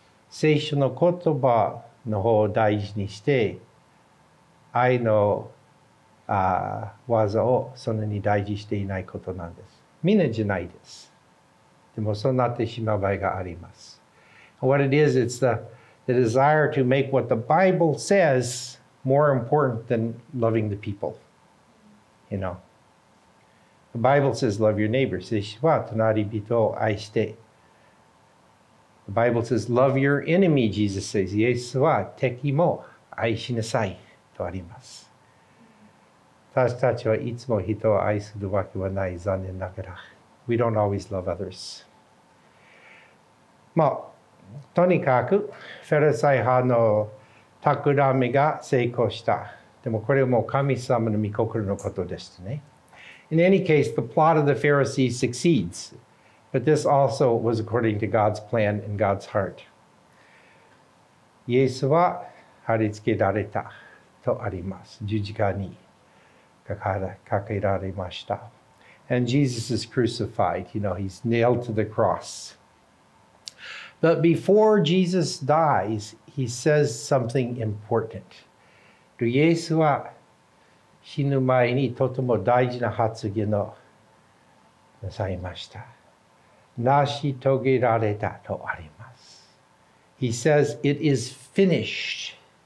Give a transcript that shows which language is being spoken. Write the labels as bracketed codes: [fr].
[ja] 聖書の言葉の方を大事にして、愛の技をそんなに大事していないことなんです。みんなじゃないです。でもそうなってしまう場合があります。 [en] What it is, it's the desire to make what the Bible says more important than loving the people, you know. The Bible says love your neighbor. [ja] 聖書は隣人を愛して。 [en] The Bible says love your enemy, Jesus says. [ja] イエスは敵も愛しなさいとあります。私たちはいつも人を愛するわけはない、残念ながら。 [en] We don't always love others. [ja] まあ、とにかく、フェルサイ派の企みが成功した。でもこれはもう神様の御心のことですね。 [en] In any case, the plot of the Pharisees succeeds. But this also was according to God's plan and God's heart. [ja] イエスは貼り付けられたとあります。十字架にかけられました。 [en] And Jesus is crucified. You know, he's nailed to the cross. But before Jesus dies,He says something important. [ja] イエスは死ぬ前にとても大事な発言をなさいました。成し遂げられたとあります。 [en] He says, it is finished.